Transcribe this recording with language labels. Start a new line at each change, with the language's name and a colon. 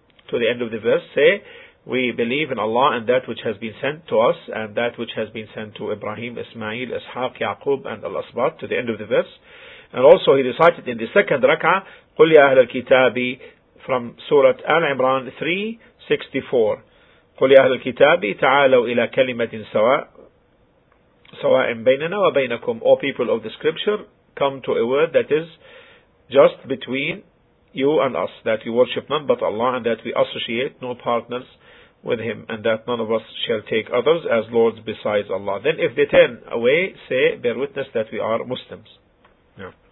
English: To the end of the verse, say, we believe in Allah and that which has been sent to us and that which has been sent to Ibrahim, Ismail, Ishaq, Yaqub and Al-Asbat, to the end of the verse. And also he recited in the second rak'ah,
Arabic: قُلْ يَا أَهْلَ الْكِتَابِ
English: from Surah Al-Imran 364.
Arabic: قل يا أهل الكتاب تعالوا إلى كلمة سواء سواء بيننا وبينكم.
English: O people of the scripture, come to a word that is just between you and us, that you worship none but Allah, and that we associate no partners with him, and that none of us shall take others as lords besides Allah. Then if they turn away, say, bear witness that we are Muslims. Yeah.